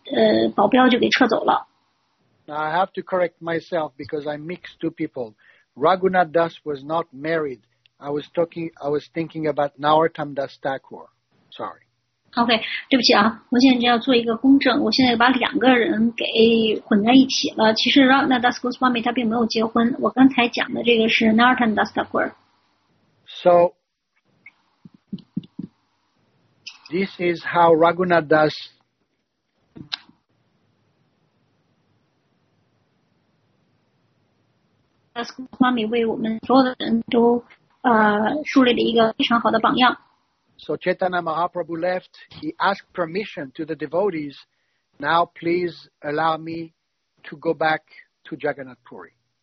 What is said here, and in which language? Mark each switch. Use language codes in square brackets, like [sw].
[zh] 他就像是一个这个非常的好的，他就和家里面和平相处，而且是一个好儿子。那当时他的父母见到他这个样子以后呢，就非常的开心，所以就把他的保镖就给撤走了。 [en] Now I have to correct myself because I mixed two people. Raghunath Das was not married. I was thinking about Narottam Das Thakur. Sorry. OK, [zh] 对不起啊,我现在要做一个公证,我现在把两个人给混在一起了。其实 Raghunath Das Goswami 他并没有结婚,我刚才讲的这个是 Narottam Das Thakur. [en] So, this is how Raghunath Das... [zh] Das Goswami 为我们所有的人都树立了一个非常好的榜样。 [en] So Chaitanya Mahaprabhu left. He asked permission to the devotees. Now please allow me to go back to Jagannath Puri.